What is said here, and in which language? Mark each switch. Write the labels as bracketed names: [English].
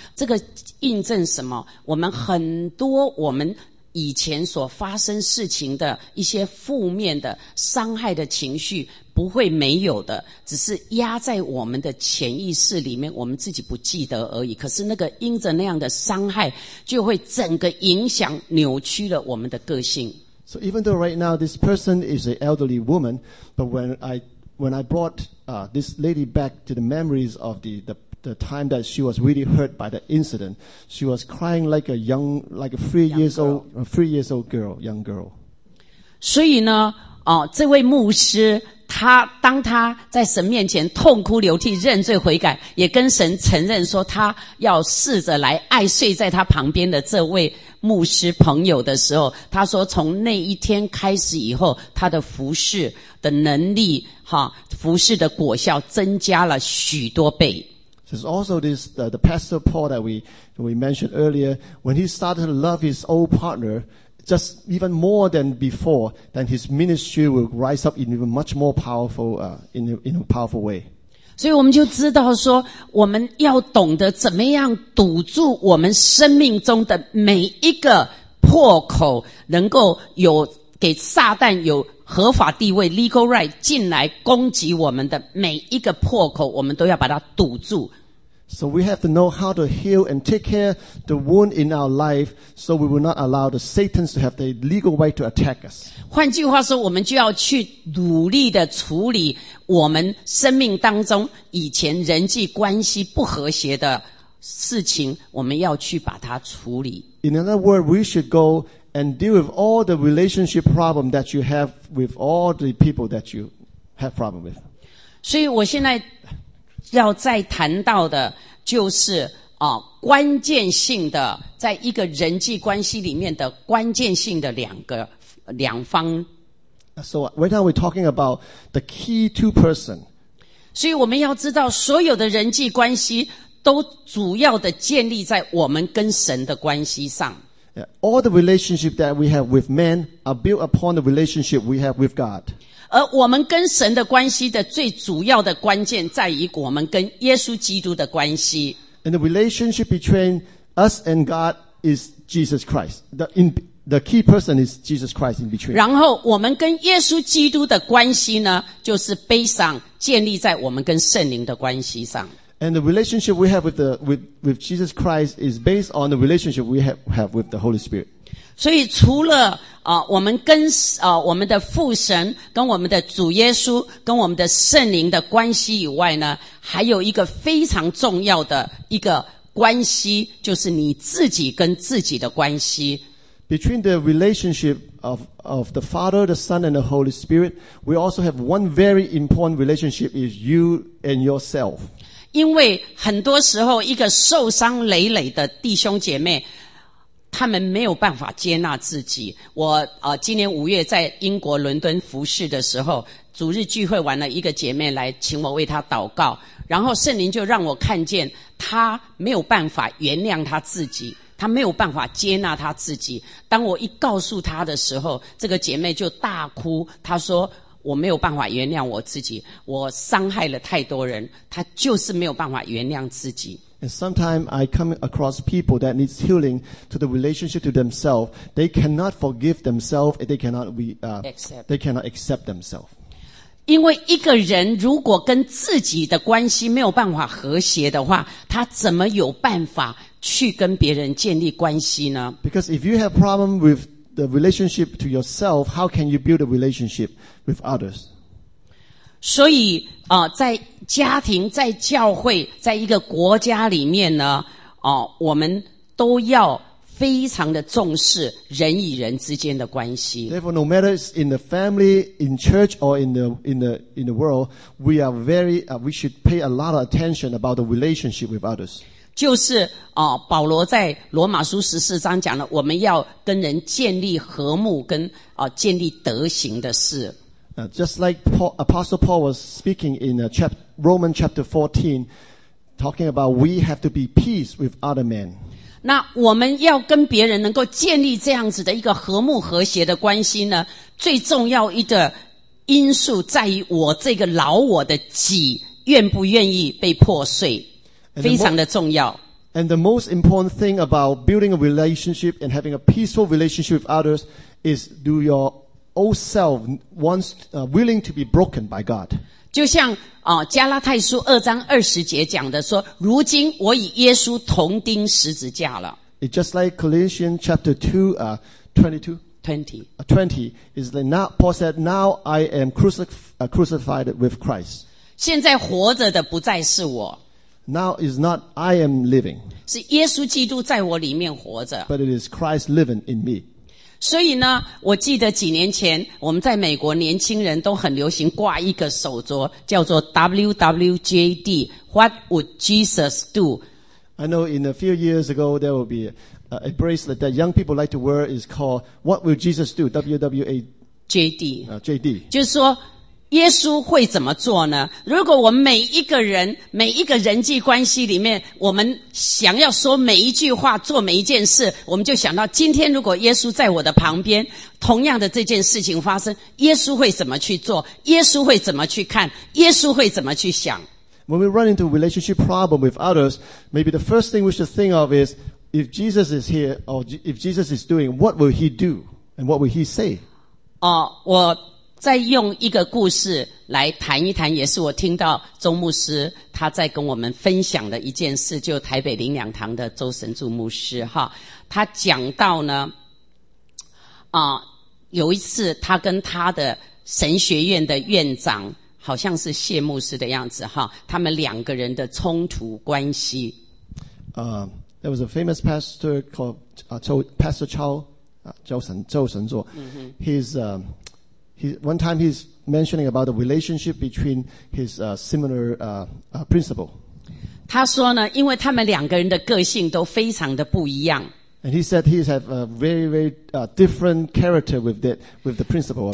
[Chinese] 这个印证什么？我们很多我们以前所发生事情的一些负面的伤害的情绪不会没有的，只是压在我们的潜意识里面，我们自己不记得而已。可是那个因着那样的伤害，就会整个影响扭曲了我们的个性。 [English] So even though right now this person is an elderly woman, but when I brought this lady back to the memories of the time that she was really hurt by the incident, she was crying like a three years old young girl. [Chinese] 所以呢，这位牧师，他当他在神面前痛哭流涕认罪悔改，也跟神承认说他要试着来爱睡在他旁边的这位牧师朋友的时候，他说从那一天开始以后，他的服侍的能力服侍的果效增加了许多倍。 [English] There's also this, the pastor Paul that we mentioned earlier, when he started to love his old partner,just even more than before, then his ministry will rise up in even much more powerful, in a powerful way. [Chinese] 所以我们就知道说，我们要懂得怎么样堵住我们生命中的每一个破口，能够有给撒旦有合法地位 [English] legal right [Chinese] 进来攻击我们的每一个破口，我们都要把它堵住。 [English] So we have to know how to heal and take care the wound in our life so we will not allow the Satans to have the legal way to attack us. [Chinese] 换句话说，我们就要去努力的处理我们生命当中以前人际关系不和谐的事情，我们要去把它处理。 [English] In other words, we should go and deal with all the relationship problem that you have with all the people that you have problem with. [Chinese] 所以我现在要再谈到的就是关键性的，在一个人际关系里面的关键性的两方。 [English] So right now we're talking about the key two person. [Chinese] 所以我们要知道，所有的人际关系都主要的建立在我们跟神的关系上。 [English] All the relationship that we have with men are built upon the relationship we have with God. [Chinese] 而我们跟神的关系的最主要的关键在于我们跟耶稣基督的关系。 [English] And the relationship between us and God is Jesus Christ. The key person is Jesus Christ in between. [Chinese] 然后我们跟耶稣基督的关系呢，就是背上建立在我们跟圣灵的关系上。 [English] And the relationship we have with Jesus Christ is based on the relationship we have with the Holy Spirit. [Chinese] 所以除了我们跟我们的父神跟我们的主耶稣跟我们的圣灵的关系以外呢，还有一个非常重要的一个关系，就是你自己跟自己的关系。 [English] Between the relationship of the Father, the Son, and the Holy Spirit, we also have one very important relationship is you and yourself. [Chinese] 因为很多时候一个受伤累累的弟兄姐妹，他们没有办法接纳自己。我今年五月在英国伦敦服事的时候，主日聚会完了，一个姐妹来请我为她祷告，然后圣灵就让我看见她没有办法原谅她自己，她没有办法接纳她自己。当我一告诉她的时候，这个姐妹就大哭，她说我没有办法原谅我自己，我伤害了太多人，她就是没有办法原谅自己。 [English] And sometimes I come across people that needs healing to the relationship to themselves. They cannot forgive themselves and they cannot accept themselves. [Chinese] 因为一个人如果跟自己的关系没有办法和谐的话，他怎么有办法去跟别人建立关系呢？ [English] Because if you have problem with the relationship to yourself, how can you build a relationship with others? [Chinese] 所以在家庭、在教会、在一个国家里面呢，我们都要非常的重视人与人之间的关系。 [English] Therefore, no matter it's in the family, in church, or in the world, we are very, we should pay a lot of attention about the relationship with others. [Chinese] 就是保罗在罗马书十四章讲了，我们要跟人建立和睦，跟建立德行的事。 [English] Just like Paul, Apostle Paul was speaking in Romans chapter 14, talking about we have to be peace with other men. [Chinese] 那我们要跟别人能够建立这样子的一个和睦和谐的关系呢，最重要一个因素在于我这个老我的己愿不愿意被破碎，非常的重要。 [English] And the most important thing about building a relationship and having a peaceful relationship with others is do your old self wants willing to be broken by God. [Chinese] 就像加拉太书二章二十节讲的说，如今我与耶稣同钉十字架了。 [English] It's just like Colossians chapter 20 is like now Paul said, now I am crucified with Christ. [Chinese] 现在活着的不再是我。 [English] Now is not I am living. [Chinese] 是耶稣基督在我里面活着。 [English] But it is Christ living in me. [Chinese] 所以呢，我记得几年前我们在美国年轻人都很流行挂一个手镯，叫做 WWJD, [English] What Would Jesus Do? I know in a few years ago there will be a bracelet that young people like to wear is called What Will Jesus Do? WWJD. JD. [Chinese] 就是说耶稣会怎么做呢？如果我们每一个人每一个人际关系里面，我们想要说每一句话做每一件事，我们就想到今天如果耶稣在我的旁边，同样的这件事情发生，耶稣会怎么去做，耶稣会怎么去看，耶稣会怎么去想。 [English] When we run into relationship problem with others, maybe the first thing we should think of is if Jesus is here or if Jesus is doing, what will he do and what will he say? [Chinese] 我再用一个故事来谈一谈，也是我听到周牧师他在跟我们分享的一件事，就台北灵粮堂的周神柱牧师哈，他讲到呢，有一次他跟他的神学院的院长，好像是谢牧师的样子哈，他们两个人的冲突关系。 [English] There was a famous pastor called Pastor Chow, 周神座 He's one time he's mentioning about the relationship between his similar principal. [Chinese] 他说呢，因为他们两个人的个性都非常的不一样。 [English] And he said he has a very, very different character with the principal.